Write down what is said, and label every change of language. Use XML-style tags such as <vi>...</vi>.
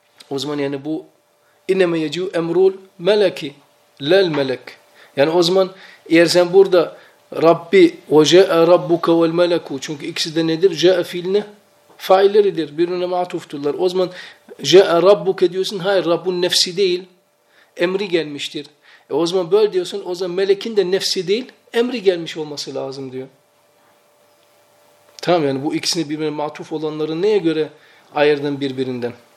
<tr>O zaman yani bu</tr> <ar>اِنَّمَا يَجِيءُ اَمْرُ الْمَلَكِ لَا الْمَلَكِ.</ar> <tr>Yani o zaman eğer sen burada Rabbi</tr> <ar>وَجَاءَ رَبُّكَ وَالْمَلَكُ,</ar> <tr>çünkü ikisi de nedir? جَاءَ فِيلْنَ failleridir. Birbirine matufturlar. O zaman جَاءَ رَبُّكَ diyorsun. Hayır, Rabbun nefsi değil. Emri gelmiştir. E o zaman böyle diyorsun. O zaman melekin de nefsi değil. Emri gelmiş olması lazım diyor. Tamam, yani bu ikisini birbirine matuf olanları neye göre ayırdın birbirinden?</tr>